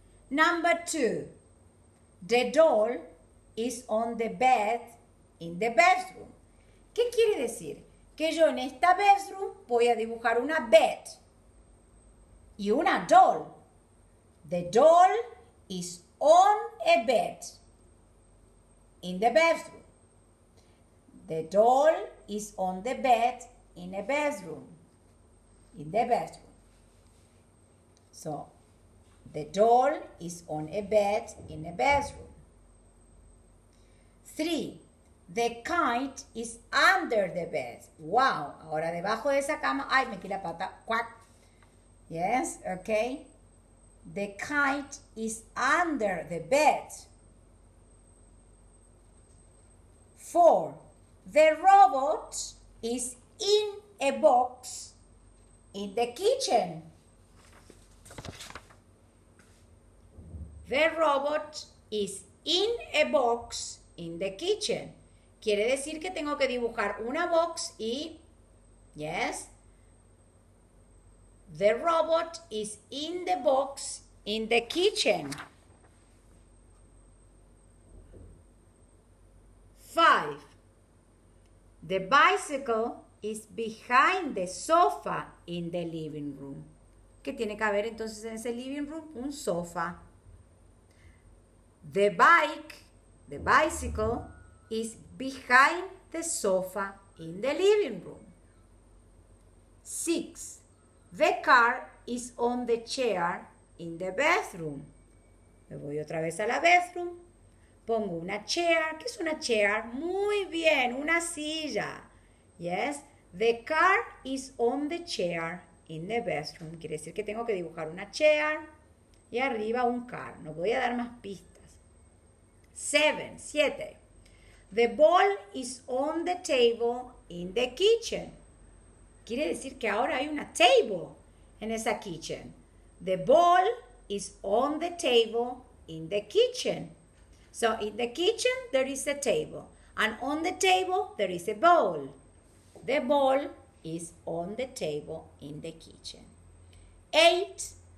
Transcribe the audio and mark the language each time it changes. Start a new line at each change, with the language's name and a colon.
English: Number two, the doll is on the bed in the bedroom.
Spanish: ¿Qué quiere decir? que yo en esta bedroom voy a dibujar una bed y una doll.
English: The doll is on a bed in the bedroom. The doll is on the bed in a bedroom. In the bedroom. So, the doll is on a bed in a bedroom. 3. The kite is under the bed.
Spanish: Wow, ahora debajo de esa cama. Ay, me quedé la pata. Quack.
English: Yes, okay. The kite is under the bed. 4. The robot is in a box in the kitchen. The robot is in a box in the kitchen.
Spanish: Quiere decir que tengo que dibujar una box y...
English: Yes. The robot is in the box in the kitchen. 5. The bicycle is behind the sofa in the living room.
Spanish: ¿Qué tiene que haber entonces en ese living room? Un sofá.
English: The bicycle is behind the sofa in the living room. 6. The car is on the chair in the bathroom.
Spanish: Me voy otra vez a la bathroom. Pongo una chair. ¿Qué es una chair? Muy bien, una silla. Yes.
English: The car is on the chair in the bathroom.
Spanish: Quiere decir que tengo que dibujar una chair y arriba un car. No voy a dar más pistas. 7. 7.
English: The ball is on the table in the kitchen.
Spanish: Quiere decir que ahora hay una table en esa kitchen.
English: The ball is on the table in the kitchen. So, in the kitchen, there is a table. And on the table, there is a bowl. The ball is on the table in the kitchen. 8.